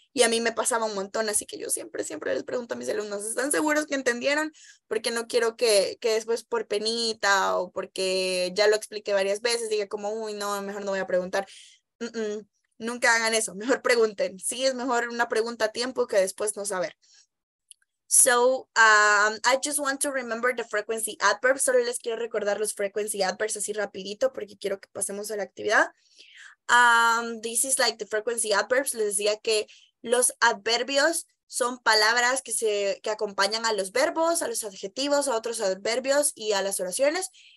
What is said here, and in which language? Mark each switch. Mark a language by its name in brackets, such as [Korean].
[Spanish] Y a mí me pasaba un montón, así que yo siempre les pregunto a mis alumnos, ¿están seguros que entendieron? Porque no quiero que después por penita o porque ya lo expliqué varias veces, diga como, no, mejor no voy a preguntar. Nunca hagan eso, mejor pregunten. Sí, es mejor una pregunta a tiempo que después no saber. [English] So, I just want to remember the frequency adverbs. [Spanish] Solo les quiero recordar los frequency adverbs así rapidito porque quiero que pasemos a la actividad. [English] This is like the frequency adverbs. [Spanish] Les decía que los adverbios son palabras que acompañan a los verbos, a los adjetivos, a otros adverbios y a las oraciones.